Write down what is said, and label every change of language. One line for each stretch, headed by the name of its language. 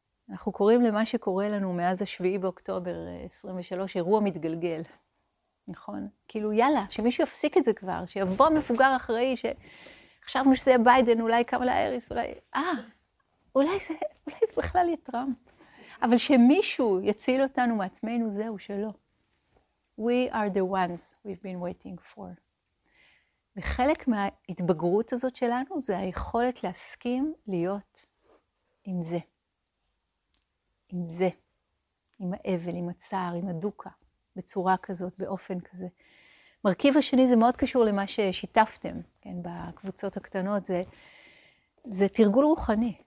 Hebrew: אנחנו קוראים למה שקורה לנו מאז השביעי באוקטובר 23, אירוע מתגלגל. נכון? כאילו, יאללה, שמישהו יפסיק את זה כבר, שיבוא מפוגר אחראי, שחשבנו שזה יהיה ביידן, אולי קמלה האריס, אולי... אולי זה בכלל יהיה טראמפ. אבל שמישהו יציל אותנו מעצמנו, זהו, שלא.
English: We are the ones we've been waiting for.
Hebrew: וחלק מההתבגרות הזאת שלנו, זה היכולת להסכים להיות עם זה. עם זה. עם האבל, עם הצער, עם הדוקה. בצורה כזאת, באופן כזה. מרכיב השני זה מאוד קשור למה ששיתפתם, כן, בקבוצות הקטנות, זה תרגול רוחני.